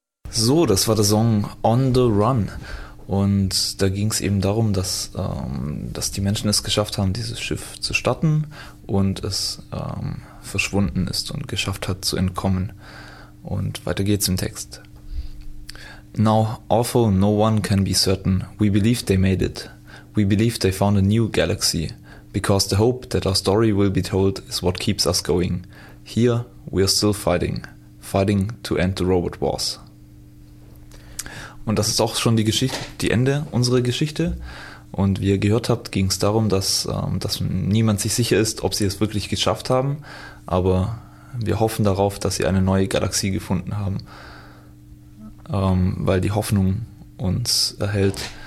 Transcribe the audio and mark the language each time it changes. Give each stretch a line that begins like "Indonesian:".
German: So, das war der Song On the Run. Und da ging es eben darum, dass die Menschen es geschafft haben, dieses Schiff zu starten und es verschwunden ist und geschafft hat zu entkommen. Und weiter geht's im Text.
English: Now, awful, no one can be certain. We believe they made it. We believe they found a new galaxy. Because the hope that our story will be told is what keeps us going. Here, we are still fighting. Fighting to end the robot wars.
German: Und das ist auch schon die Geschichte, die Ende unserer Geschichte. Und wie ihr gehört habt, ging es darum, dass niemand sich sicher ist, ob sie es wirklich geschafft haben. Aber wir hoffen darauf, dass sie eine neue Galaxie gefunden haben. Weil die Hoffnung uns erhält.